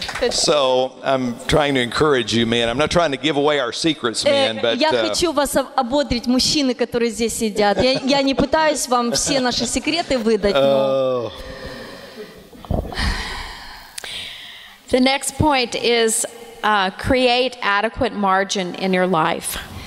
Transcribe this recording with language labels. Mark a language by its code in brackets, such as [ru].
[en] So, I'm trying to encourage you, man. I'm not trying to give away our secrets, man, but [ru] я хочу вас ободрить, мужчины, которые здесь сидят. Я не пытаюсь вам все наши секреты выдать, но [en] the next point is create adequate margin in your life.